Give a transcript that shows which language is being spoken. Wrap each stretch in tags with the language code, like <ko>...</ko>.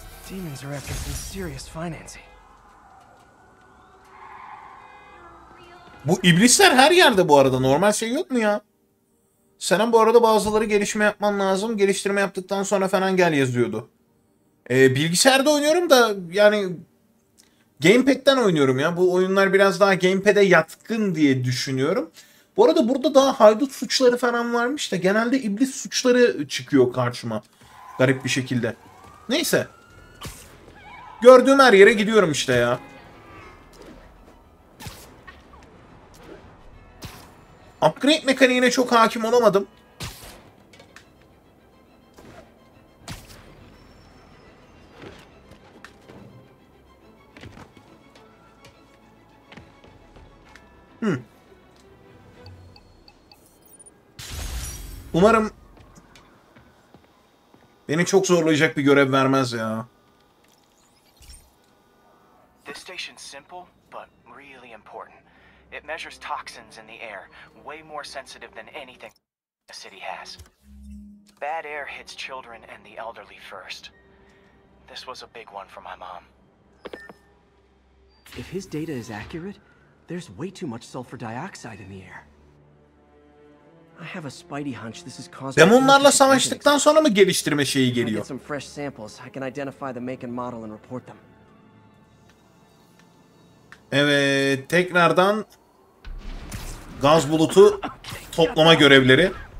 <en>Demons are after some serious financing.</en> <tr>Bu iblisler her yerde bu arada. Normal şey yok mu ya? Senin bu arada bazıları gelişme yapman lazım. Geliştirme yaptıktan sonra falan gel yazıyordu. Bilgisayarda oynuyorum da yani Gamepad'den oynuyorum ya. Bu oyunlar biraz daha Gamepad'e yatkın diye düşünüyorum. Bu arada burada daha haydut suçları falan varmış da genelde iblis suçları çıkıyor karşıma. Garip bir şekilde. Neyse. Gördüğüm her yere gidiyorum işte ya. Upgrade mekaniğine çok hakim olamadım. Umarım beni çok zorlayacak bir görev vermez ya.</tr> <en>This station's simple but really important. It measures toxins in the air, way more sensitive than anything the city has. Bad air hits children and the elderly first. This was a big one for my mom. If his data is accurate, there's way too much sulfur dioxide in the air. I have a spidey hunch this is caused.</en> <tr>Ben onlarla savaştıktan sonra mı geliştirme şeyi geliyor?</tr> <en>Some fresh samples. I can identify the make and model and report them.</en> <tr>Evet, tekrardan gaz bulutu toplama görevleri.</tr>